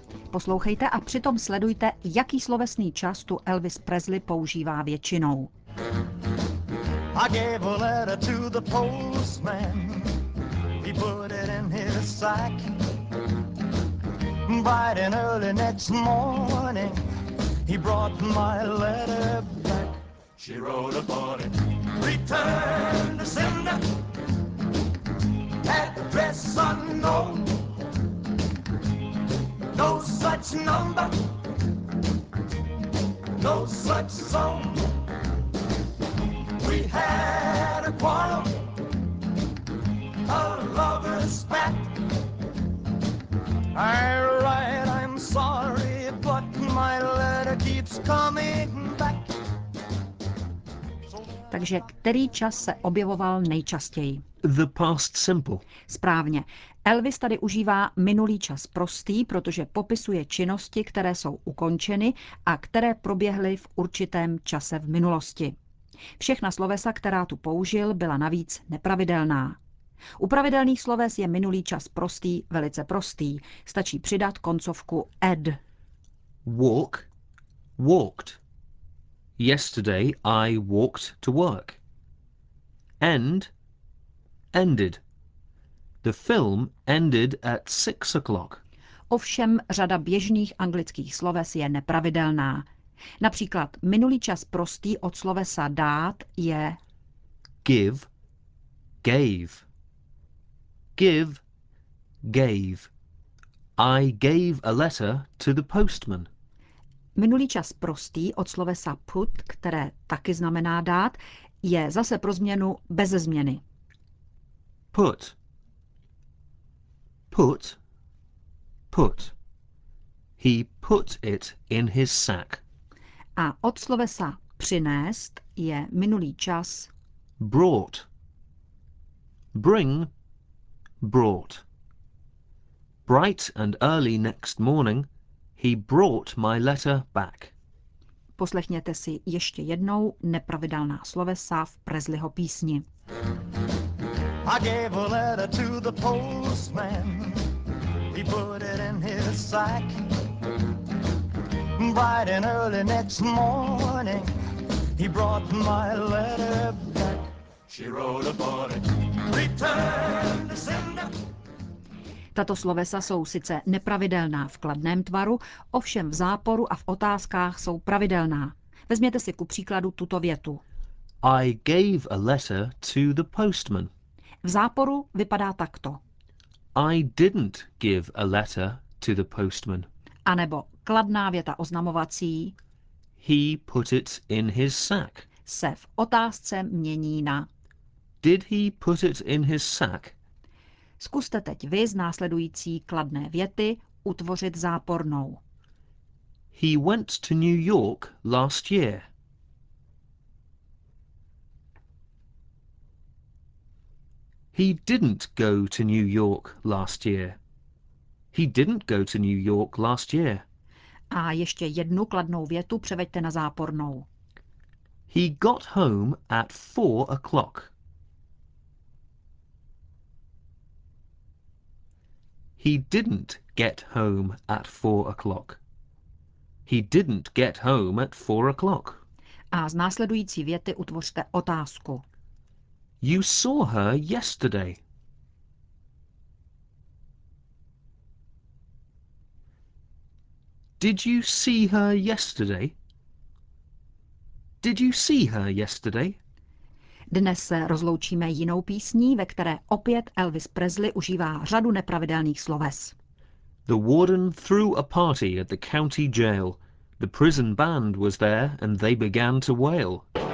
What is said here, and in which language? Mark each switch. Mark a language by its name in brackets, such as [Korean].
[Czech] Poslouchejte a přitom sledujte, jaký slovesný čas tu Elvis Presley používá většinou. [English] I gave a letter to the postman. He put it in his sack. Bright and early next morning, he brought my letter back. She wrote upon it, return to sender, address unknown, no such number, no such zone. We had a quarrel, a lover's spat. I write, I'm sorry, but my letter keeps coming back. [Czech] Takže který čas se objevoval nejčastěji? [English] The past simple. [Czech] Správně. Elvis tady užívá minulý čas prostý, protože popisuje činnosti, které jsou ukončeny a které proběhly v určitém čase v minulosti. Všechna slovesa, která tu použil, byla navíc nepravidelná. U pravidelných sloves je minulý čas prostý velice prostý. Stačí přidat koncovku ed. [English] Walk, walked. Yesterday I walked to work. End, ended. The film ended at 6 o'clock. [Czech] Ovšem řada běžných anglických sloves je nepravidelná. Například minulý čas prostý od slovesa dát je [English] give, gave. Give, gave. I gave a letter to the postman. [Czech] Minulý čas prostý od slovesa put, které taky znamená dát, je zase pro změnu bez změny. [English] Put. Put. Put. He put it in his sack. [Czech] A od slovesa přinést je minulý čas [English] brought. Bring. Brought. Bright and early next morning, he brought my letter back. [Czech] Poslechněte si ještě jednou nepravidelná slovesa v Presleyho písni. [English] I gave a letter to the postman. He put it in his sack. Bright and early next morning, he brought my letter back. She wrote upon it, return to sender. [Czech] Tato slovesa jsou sice nepravidelná v kladném tvaru, ovšem v záporu a v otázkách jsou pravidelná. Vezměte si ku příkladu tuto větu. [English] I gave a letter to the postman. [Czech] V záporu vypadá takto. [English] I didn't give a letter to the postman. [Czech] A nebo kladná věta oznamovací. [English] He put it in his sack. [Czech] Se v otázce mění na. [English] Did he put it in his sack? [Czech] Zkuste teď vy z následující kladné věty utvořit zápornou. [English] He went to New York last year. He didn't go to New York last year. He didn't go to New York last year. A ještě jednu kladnou větu převeďte na zápornou. He got home at 4 o'clock. He didn't get home at 4 o'clock. He didn't get home at 4 o'clock. A z následující věty utvořte otázku. You saw her yesterday. Did you see her yesterday? Did you see her yesterday? [Czech] Dnes se rozloučíme jinou písní, ve které opět Elvis Presley užívá řadu nepravidelných sloves. [English] The warden threw a party at the county jail. The prison band was there and they began to wail.